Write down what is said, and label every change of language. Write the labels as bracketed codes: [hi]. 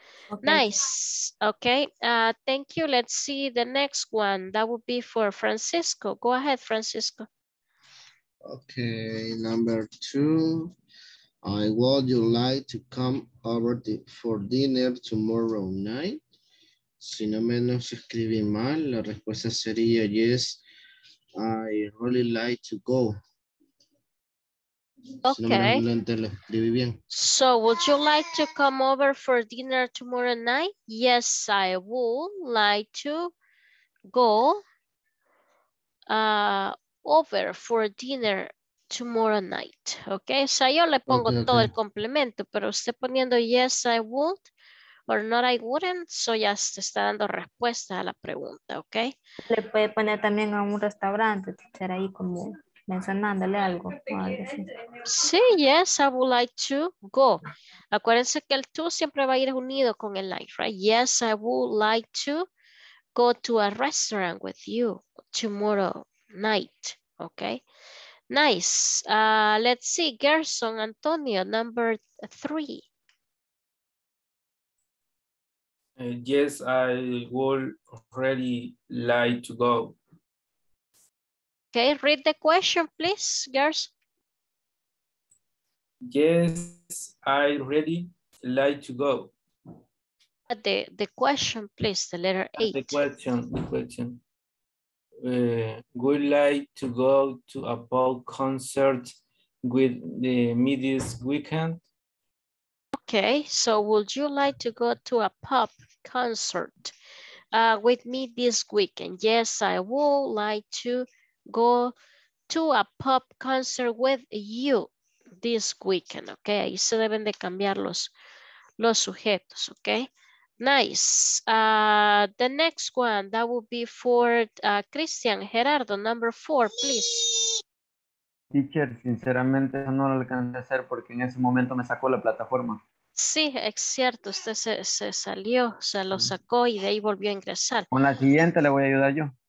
[en] Okay. Nice. Okay. Thank you. Let's see the next one. That would be for Francisco. Go ahead, Francisco. Okay. Number two. I would you like to come over for dinner tomorrow night? [es] Si no menos escribí mal, la respuesta sería yes. [en] I really like to go. Okay. So would you like to come over for dinner tomorrow night? Yes, I would like to go over for dinner tomorrow night. [es] Okay, so yo le pongo todo el complemento, pero usted poniendo [en] yes, I would or not, I wouldn't, [es] so ya se está dando respuesta a la pregunta, okay? Le puede poner también a un restaurante, estar ahí como mencionándole algo. [en] Sí, yes, I would like to go. [es] Acuérdense que el to siempre va a ir unido con el like, right? [en] Yes, I would like to go to a restaurant with you tomorrow night. Okay, nice. Let's see, Gerson Antonio, number three. Yes, I would really like to go. Okay, read the question, please, girls. Yes, I really like to go. The question, please, the letter eight. The question. Would like to go to a ball concert with the midis weekend? Okay, so would you like to go to a pop concert with me this weekend? Yes, I would like to go to a pop concert with you this weekend, okay? [es] Ahí se deben de cambiar los sujetos, okay? [en] Nice. The next one, that would be for Christian Gerardo, number four, please. [es] Teacher, sinceramente no lo alcancé a hacer porque en ese momento me sacó la plataforma. Sí, es cierto, usted se salió, se lo sacó y de ahí volvió a ingresar. Con la siguiente le voy a ayudar yo.